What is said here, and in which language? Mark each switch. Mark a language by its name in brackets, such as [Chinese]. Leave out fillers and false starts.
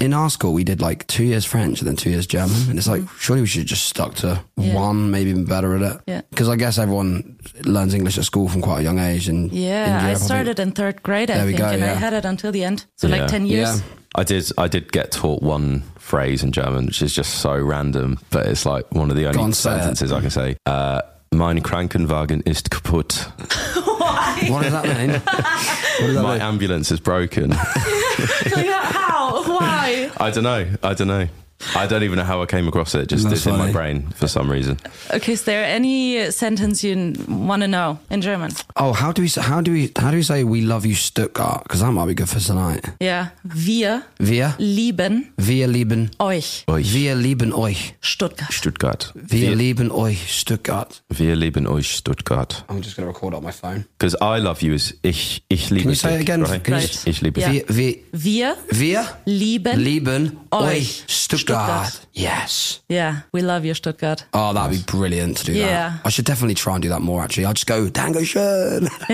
[English] In our school, we did, like, 2 years French and then 2 years German. And it's like, surely we should have just stuck to one, maybe even better at it. Yeah. Because I guess everyone learns English at school from quite a young age. And I started in third grade, I had it until the end. So, 10 years. Yeah. I did get taught one phrase in German, which is just so random, but it's, like, one of the only sentences I can say. [German] Mein Krankenwagen ist kaputt. [English] Why? What does that mean? My ambulance is broken. How? Why? I don't know. I don't even know how I came across it. Just in my brain for some reason. Okay, is there any sentence you want to know in German? Oh, how do we say we love you, Stuttgart? Because that might be good for tonight. Yeah. [German] Wir lieben euch. Wir lieben euch. Stuttgart. Stuttgart. Wir lieben euch, Stuttgart. Wir lieben euch, Stuttgart. [English] I'm just going to record it on my phone. Because I love you is [German] ich liebe dich. [English] Can you say it again? [German] Right. Ich liebe dich. Wir lieben euch, Stuttgart. Stuttgart. [English] Yes. Yeah, we love you, Stuttgart. Oh, that'd be brilliant to do that. I should definitely try and do that more, actually. I'll just go, Dankeschön.